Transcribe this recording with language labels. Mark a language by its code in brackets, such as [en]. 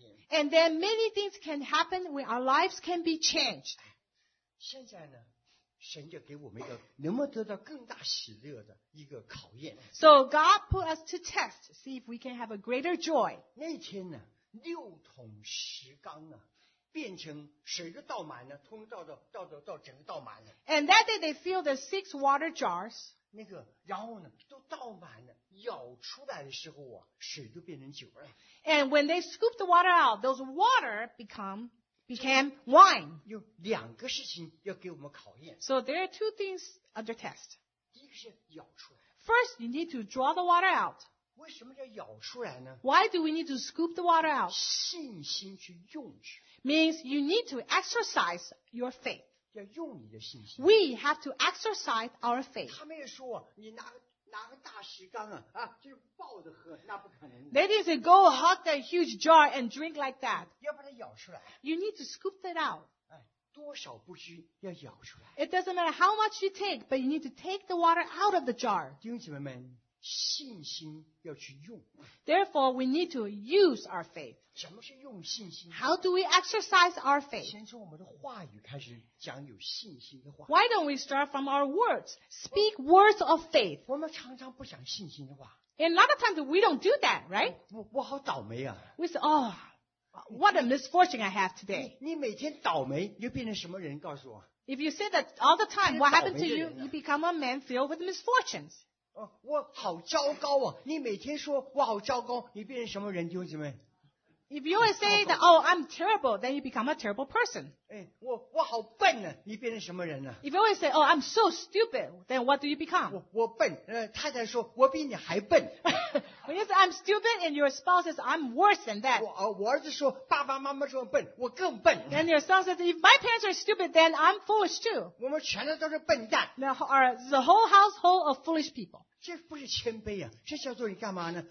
[en] And then many things can happen when our lives can be changed. [zh] 现在呢神就给我们一个能不能得到更大喜乐的一个考验。 [en] So God put us to test, see if we can have a greater joy. [zh] 那天呢六桶石缸啊，变成水都倒满了，通到整个倒满了。 [en] And that day they filled the six water jars. [zh] 那个，然后呢，都倒满了，舀出来的时候啊，水都变成酒了。 [en] And when they scooped the water out, those water became wine. [zh] 有两个事情要给我们考验。 [en] So there are two things under test. [zh] 第一个是舀出来。 [en] First, you need to draw the water out. [zh] 为什么要舀出来呢 [en] Why do we need to scoop the water out? [zh] 信心去用去 [en] Means you need to exercise your faith. [zh] 要用你的信心 [en] We have to exercise our faith. [zh] 他们也说你拿个大石缸啊就抱着喝那不可能 [en] They didn't say go hug that huge jar and drink like that. [zh] 要把它舀出来 [en] You need to scoop it out. [zh] 多少不需要舀出来 [en] It doesn't matter how much you take, but you need to take the water out of the jar. [zh] 弟兄姊妹们信心要去用。 [en] Therefore, we need to use our faith. [zh] 什么是用信心？ [en] How do we exercise our faith? [zh] 先从我们的话语开始讲有信心的话。 [en] Why don't we start from our words? Speak words of faith. [zh] 我们常常不讲信心的话。 [en] And a lot of times we don't do that, right? [zh] 我好倒霉啊。 [en] We say, oh, what a misfortune I have today. [zh] 你每天倒霉，又变成什么人？告诉我。 [en] If you say that all the time, what happened to you? You become a man filled with misfortunes. [zh] 我好糟糕啊！你每天说我好糟糕，你变成什么人，弟兄姊妹 [en] ？If you always say that, oh, I'm terrible, then you become a terrible person. [zh] 我好笨呢、啊，你变成什么人呢、啊、 [en] ？If you always say, oh, I'm so stupid, then what do you become? [zh] 我笨，太太说我比你还笨。 [en] When you say I'm stupid, and your spouse says I'm worse than that. [zh] 我儿子说爸爸妈妈说笨，我更笨。 [en] And your son says if my parents are stupid, then I'm foolish too. [zh] 我们全家都是笨蛋。 [en] The whole household of foolish people. [zh] 这不是谦卑啊，这叫做你干嘛呢？